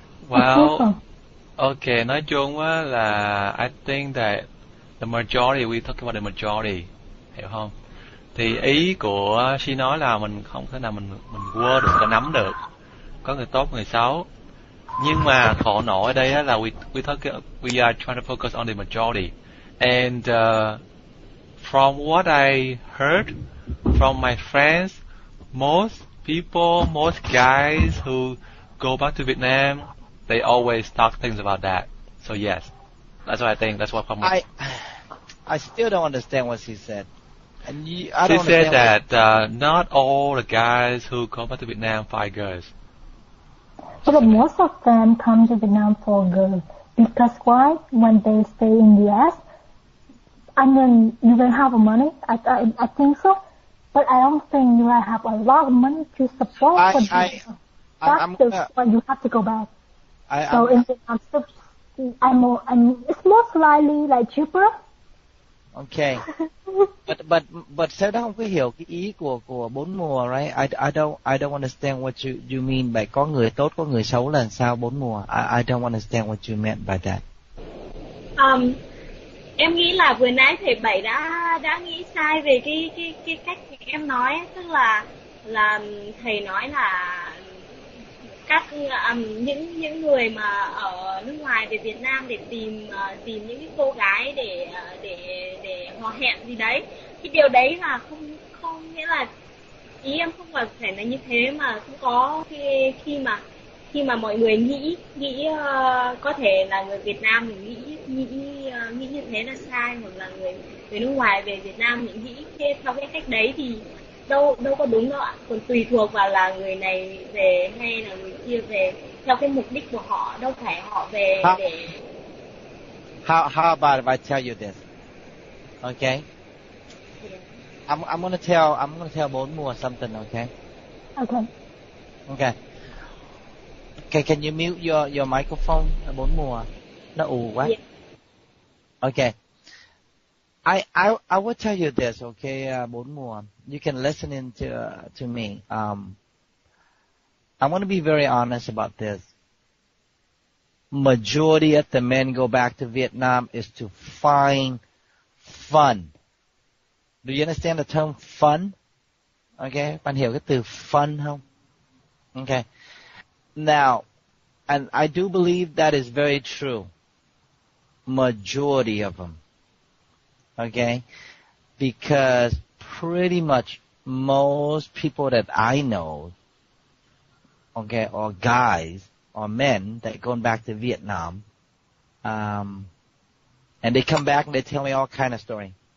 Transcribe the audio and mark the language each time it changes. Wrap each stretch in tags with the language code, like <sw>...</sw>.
<en>Well, okay.</en> <vi>Nói chung á là</vi> <en>I think that the majority, we talk about the majority,</en> <vi>hiểu không? Thì ý của she nói là mình không thể nào mình quơ được, có nắm được, có người tốt người xấu. Nhưng mà khổ nổi ở đây là</vi> <en>we are trying to focus on the majority. And from what I heard from my friends, most people, most guys who go back to Vietnam, they always talk things about that. So yes, that's what I think. That's what I'm with. I still don't understand what she said. And you, I she don't said that you... not all the guys who go back to Vietnam find girls. So but most of them come to Vietnam for girls. Because why? When they stay in the US, I mean, you don't have money. I think so. But I don't think you have a lot of money to support for people. That's why you have to go back. It's most likely like cheaper. Okay.</en> <vi>but sao đó không có hiểu cái ý của bốn mùa, right?</vi> <en>I don't understand what you mean by</en> <vi>có người tốt có người xấu là sao</vi> <en>bốn mùa. I don't understand what you meant by that.</en> <vi>Em nghĩ là vừa nãy thầy Bảy đã nghĩ sai về cái cách em nói, tức là thầy nói là các những người mà ở nước ngoài về Việt Nam để tìm tìm những cái cô gái để hò hẹn gì đấy, cái điều đấy là không nghĩa là ý em không phải thể là như thế, mà cũng có khi mà mọi người nghĩ có thể là người Việt Nam mình nghĩ như thế là sai, hoặc là người nước ngoài về Việt Nam mình nghĩ theo cái cách đấy thì đâu có đúng đâu ạ. Còn tùy thuộc vào là người này về hay là người kia về theo cái mục đích của họ, đâu phải họ về để</vi> <en>how about if I tell you this, okay? Yeah. I'm gonna tell bốn mùa something, okay? Okay. Okay, can you mute your microphone? Bốn mùa,</en> <vi>nó ù quá.</vi> <en>Yeah. Okay, I will tell you this. Okay, bốn mùa, you can listen in to me. I want to be very honest about this. Majority of the men go back to Vietnam is to find fun. Do you understand the term fun?</en> <vi>Okay, bạn hiểu cái từ fun không?</vi> <en>Okay. Now, and I do believe that is very true. Majority of them. Okay? Because pretty much most people that I know, okay, or guys, or men that going back to Vietnam, and they come back and they tell me all kind of story.</en>